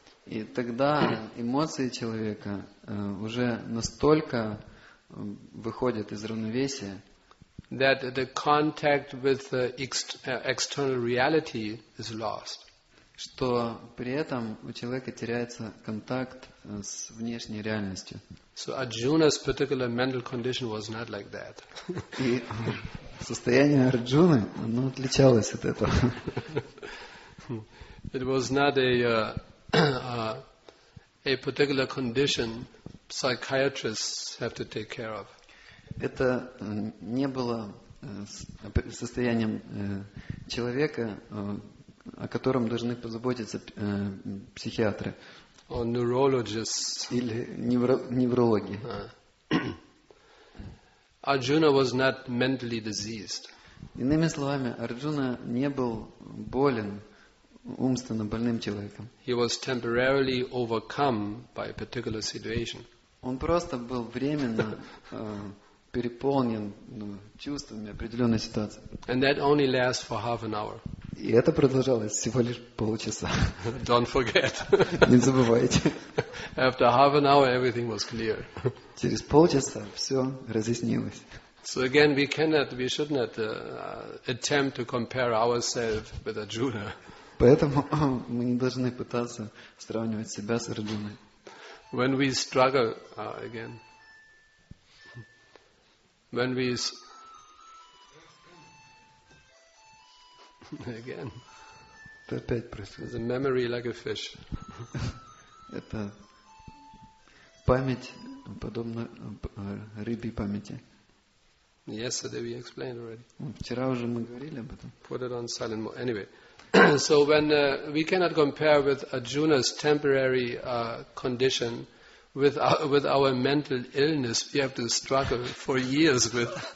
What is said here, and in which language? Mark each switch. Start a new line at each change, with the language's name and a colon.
Russian: И тогда эмоции человека уже настолько выходят из равновесия,
English: that the contact with the external reality is lost.
Russian: что при этом у человека теряется контакт с внешней реальностью.
English: So Arjuna's particular mental condition was not like that.
Russian: И состояние Арджуны, оно отличалось от этого.
English: It was not a particular condition psychiatrists have to take care of.
Russian: Это не было состоянием человека, о котором должны позаботиться психиатры.
English: Or neurologists.
Russian: Или неврологи.
English: Arjuna was not mentally diseased.
Russian: Иными словами, Арджуна не был болен, умственно больным человеком.
English: He was temporarily overcome by a particular situation.
Russian: Он просто был временно переполнен чувствами определенной ситуации.
English: And that only lasts for half an hour.
Russian: И это продолжалось всего лишь полчаса.
English: Don't forget.
Russian: Не забывайте.
English: After half an hour, everything was clear.
Russian: Через полчаса все разъяснилось.
English: So again, we should not attempt to compare ourselves with Arjuna.
Russian: Поэтому мы не должны пытаться сравнивать себя с Арджуной.
English: When we struggle again. When we again.
Russian: Это опять происходит.
English: The memory like a fish.
Russian: Это память подобно рыбьей памяти.
English: Yesterday we explained already.
Russian: Вчера уже мы говорили об этом.
English: Put it on silent mode. Anyway, so when we cannot compare with Arjuna's temporary condition with our mental illness, we have to struggle for years with.